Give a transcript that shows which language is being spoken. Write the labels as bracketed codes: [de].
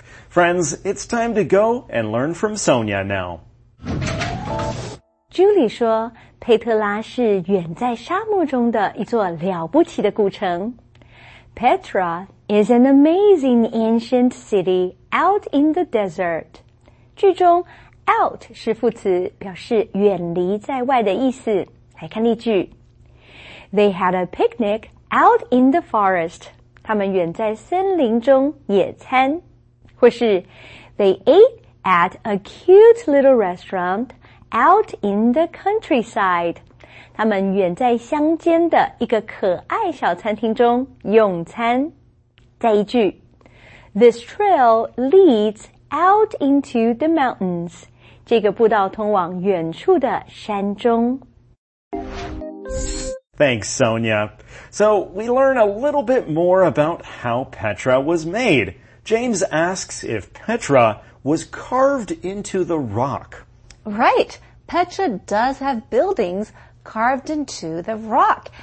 [en] Friends, it's time to go and learn from Sonia now. [zh] Julie 说，佩特拉是远在沙漠中的一座了不起的古城。 [en] Petra is an amazing ancient city out in the desert. [zh] 句中 out 是副词，表示远离在外的意思。来看例句。 [en] They had a picnic out in the forest. [zh] 他们远在森林中野餐。或是 [en] They ate at a cute little restaurant out in the countryside. [zh] 他们远在乡间的一个可爱小餐厅中用餐。再一句 [en] This trail leads out into the mountains. [zh] 这个步道通往远处的山中。 [en] Thanks, Sonia. So we learn a little bit more about how Petra was made. James asks if Petra was carved into the rock. Right. Petra does have buildings. Carved into the rock.